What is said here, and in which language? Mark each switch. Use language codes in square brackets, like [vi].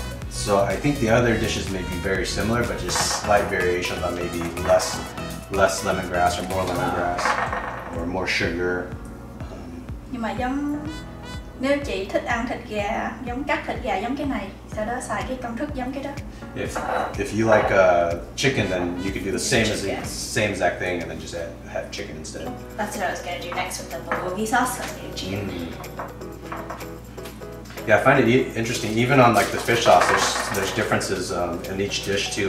[en] So I think the other dishes may be very similar, but just slight variation, but maybe less lemongrass or more lemongrass or more sugar. [vi] Nhưng mà giống nếu chị thích ăn thịt gà giống cắt thịt gà giống cái này, sau đó xài cái công thức giống cái đó. [en] If you like chicken, then you could do the same exact thing and then just have chicken instead. That's what I was gonna do next with the bulgogi sauce. Yeah, I find it interesting. Even on like the fish sauce, there's differences in each dish too.